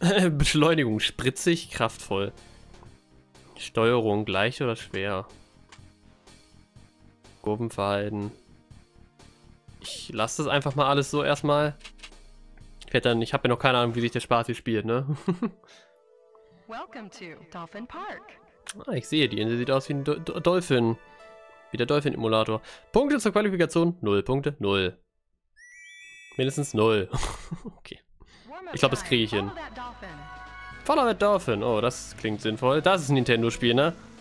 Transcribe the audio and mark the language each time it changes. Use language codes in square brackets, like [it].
[de] Beschleunigung, spritzig, kraftvoll. Steuerung, leicht oder schwer. Kurvenverhalten. Ich lasse das einfach mal alles so erstmal. Ich habe ja noch keine Ahnung, wie sich der Spaß hier spielt, ne? [en] Welcome to Dolphin Park. [de] Ah, ich sehe, die Insel sieht aus wie ein Dolphin. Wie der Dolphin-Emulator. Punkte zur Qualifikation? 0 Punkte? 0. Mindestens 0. Okay. Ich glaube, das kriege ich hin. [en] Follow that Dolphin. [de] Oh, das klingt sinnvoll. Das ist ein Nintendo-Spiel, ne?